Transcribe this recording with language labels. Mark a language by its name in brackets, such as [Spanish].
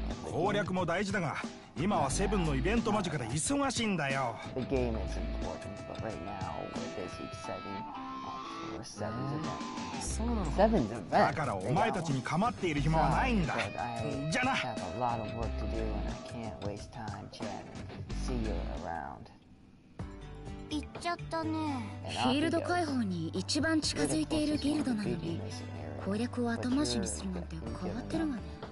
[Japanese] 攻略も大事だが今はセブンのイベントマジから忙しいんだよ。 [English] The game is important, but right now we're busy setting up for Seven's event. [Japanese] だからお前たちに構っている暇はないんだ。じゃな。 [English] I have a lot of work to do and I can't waste time chatting. See you around. [Japanese] 行っちゃったね。フィールド解放に一番近づいているギルドなのに攻略を後回しにするなんて変わってるわね。